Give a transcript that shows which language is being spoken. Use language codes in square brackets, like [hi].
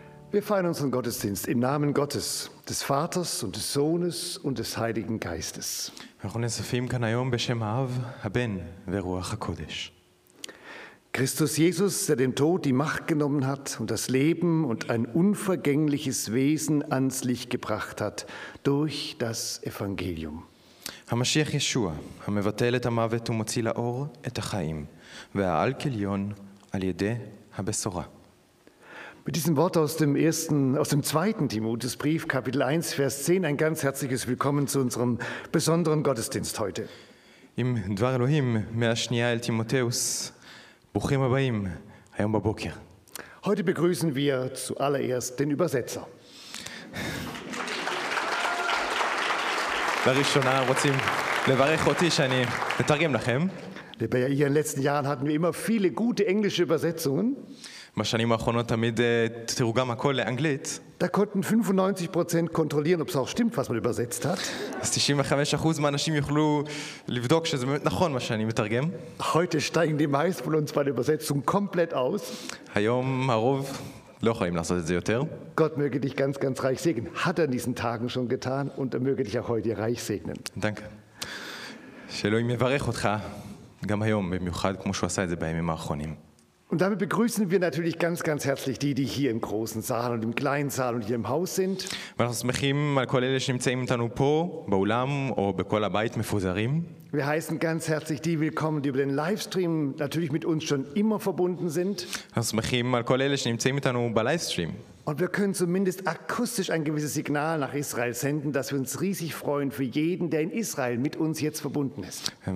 [de] Wir feiern unseren Gottesdienst im Namen Gottes, des Vaters und des Sohnes und des Heiligen Geistes. Christus Jesus, der dem Tod die Macht genommen hat und das Leben und ein unvergängliches Wesen ans Licht gebracht hat durch das Evangelium. [he] המשיח ישוע, המבטל את המוות ומוציא לאור את החיים, והעל כליון על ידי הבשורה. [de] Mit diesem Wort aus dem zweiten Timotheusbrief, Kapitel 1, Vers 10, ein ganz herzliches Willkommen zu unserem besonderen Gottesdienst heute. [he] עם דבר אלוהים מהשנייה אל תימותאוס, ברוכים הבאים, היום בבוקר. [de] Heute begrüßen wir zuallererst den Übersetzer. [he] לראשונה רוצים לברך אותי שאני מתרגם לכם. [de] In den letzten Jahren hatten wir immer viele gute englische Übersetzungen. [he] בשנים האחרונות תמיד תרגם הכל לאנגלית. [de] Da konnten 95% kontrollieren, ob es auch stimmt, was man übersetzt hat. [he] 95% מהאנשים יוכלו לבדוק שזה באמת נכון מה שאני מתרגם. [de] Heute steigen die meisten von uns bei der Übersetzung komplett aus. [he] היום הרוב לא יכולים לעשות את זה יותר. [de] Gott möge dich ganz, ganz reich segnen. Hat er in diesen Tagen schon getan und er möge dich auch heute reich segnen. Danke. [he] שאלוהים יברך אותך גם היום, במיוחד כמו שהוא עשה את זה בימים האחרונים. [de] Und damit begrüßen wir natürlich ganz, ganz herzlich die, die hier im großen Saal und im kleinen Saal und hier im Haus sind. [he] ואנחנו שמחים על כל אלה שנמצאים איתנו פה, באולם או בכל הבית מפוזרים. [de] Wir heißen ganz herzlich die willkommen, die über den Livestream natürlich mit uns schon immer verbunden sind. Und wir können zumindest akustisch ein gewisses Signal nach Israel senden, dass wir uns riesig freuen für jeden, der in Israel mit uns jetzt verbunden ist.